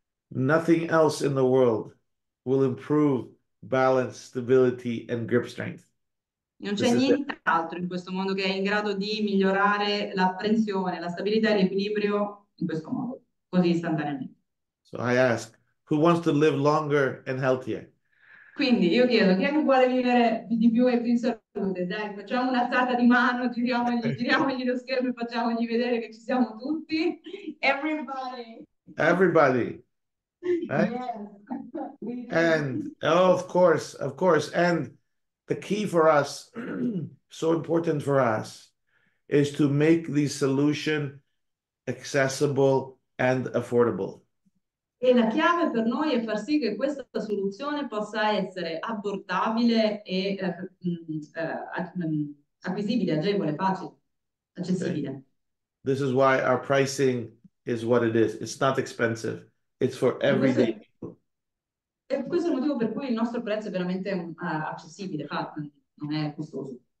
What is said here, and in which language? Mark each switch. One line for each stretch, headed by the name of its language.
English: Nothing else in the world will improve balance, stability and grip strength.
Italian: Non c'è nient'altro in questo mondo che è in grado di migliorare la prensione, la stabilità e l'equilibrio in questo modo, così istantaneamente.
English: So I ask, who wants to live longer and healthier?
Italian: Quindi io chiedo, chi è che vuole vivere di più e più in salute? Dai, facciamo un'alzata di mano, giriamogli lo schermo e facciamogli vedere che ci siamo tutti.
English: Everybody! Everybody! Yeah. And of course, and the key for us, so important for us, is to make the solution accessible and affordable.
Italian: E la chiave per noi è far sì che questa soluzione possa essere abbordabile e acquisibile, agevole, facile, accessibile. Okay.
English: This is why our pricing is what it is. It's not expensive. It's for everyday people.
Italian: E questo è il motivo per cui il nostro prezzo è veramente accessibile, infatti, non è costoso.